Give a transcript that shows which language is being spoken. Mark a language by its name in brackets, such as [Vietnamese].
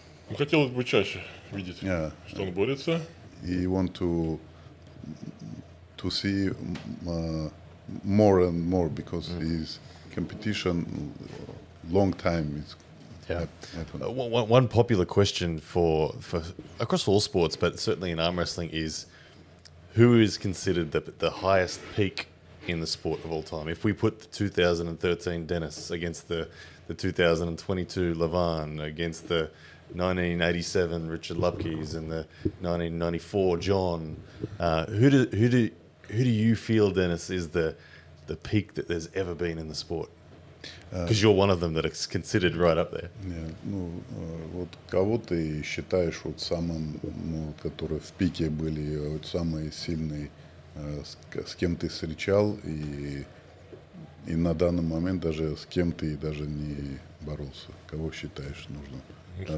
[Russian] Ну, хотелось бы чаще видеть, что он борется. [English] He want to see more and more because his competition long time is One popular question for across all sports, but certainly in arm wrestling, is who is considered the highest peak in the sport of all time? If we put the 2013 Denis against the 2022 Levan against the 1987 Richard Lupke's and the 1994 John, who do you feel, Denis, is the peak that there's ever been in the sport? Because you're one of them that is considered right up there. Yeah. [Russian] Ну, вот кого ты считаешь вот самым, ну, которые в пике были, вот самые сильные, с кем ты встречал и на данный момент даже с кем ты даже не боролся? Кого считаешь нужно?